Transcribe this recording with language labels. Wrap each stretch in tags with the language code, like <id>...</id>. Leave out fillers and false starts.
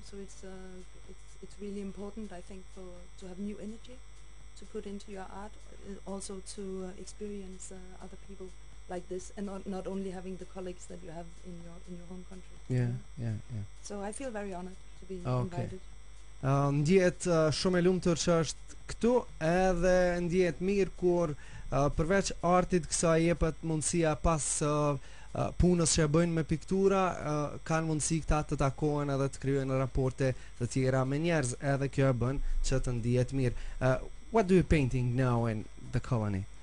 <en>So it's really important, I think, for to have new energy to put into your art, also to experience other people like this, and not only having the colleagues that you have in your home country. So I feel very honored to be invited.</en> <sq>Ndjehet shumë e lumtur që është këtu, edhe ndjehet mirë kur përveç artit kësaj jepet mundësia pas punës që e bëjnë me piktura, kanë mundësi këta të takohen edhe të krijojnë raporte të tjera me njerëz, edhe kjo e bën që të ndihet mirë.</sq> <en>What do you painting now in the colony?</en>